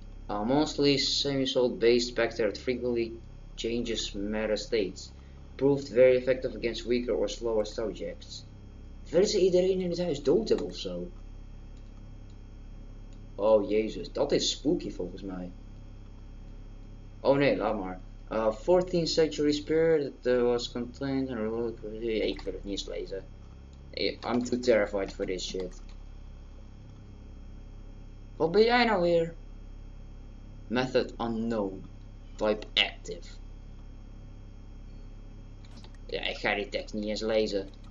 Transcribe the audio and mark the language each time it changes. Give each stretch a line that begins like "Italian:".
English: A mostly semi-solid based specter that frequently changes meta states. Proved very effective against weaker or slower subjects.
Dutch: Willen ze iedereen in het huis dood hebben ofzo? Oh jezus, dat is spooky volgens mij. Oh nee, laat maar.
English: 14th century spear that was contained in a relic.
Dutch: Ik wil het niet eens lezen.
English: I'm too terrified for this shit.
Dutch: Wat ben jij nou weer?
English: Method unknown. Type active.
Dutch: Ja, ik ga die tekst niet eens lezen.